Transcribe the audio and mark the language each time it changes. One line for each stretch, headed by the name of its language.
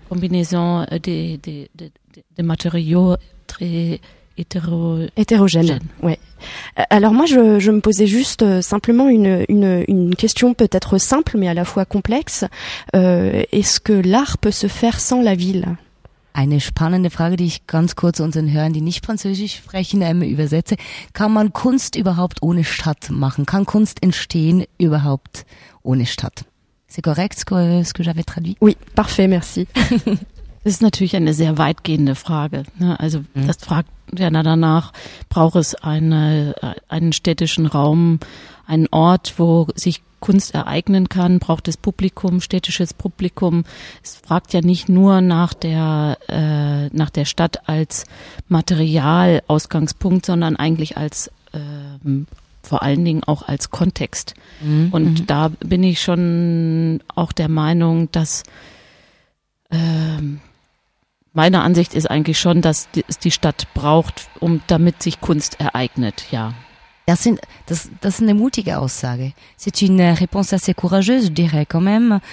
French: Combinaison des matériaux très hétérogènes. Ouais. Alors moi, je me posais juste simplement une question peut-être simple, mais à la fois complexe. Est-ce que l'art peut se faire sans la ville?
German: Eine spannende Frage, die ich ganz kurz unseren Hörern, die nicht Französisch sprechen, übersetze. Kann man Kunst überhaupt ohne Stadt machen? Kann Kunst entstehen überhaupt ohne Stadt?
French: C'est correct, ce que j'avais traduit? Oui, parfait, merci.
German: Das ist natürlich eine sehr weitgehende Frage. Ne? Also das fragt ja danach, braucht es einen städtischen Raum, einen Ort, wo sich Kunst ereignen kann, braucht es Publikum, städtisches Publikum. Es fragt ja nicht nur nach der Stadt als Materialausgangspunkt, sondern eigentlich als vor allen Dingen auch als Kontext. Mhm. Und da bin ich schon auch der Meinung, dass meine Ansicht ist eigentlich schon, dass es die Stadt braucht, damit sich Kunst ereignet, ja. Das ist eine mutige Aussage.
French: C'est une réponse assez courageuse, je dirais, quand même.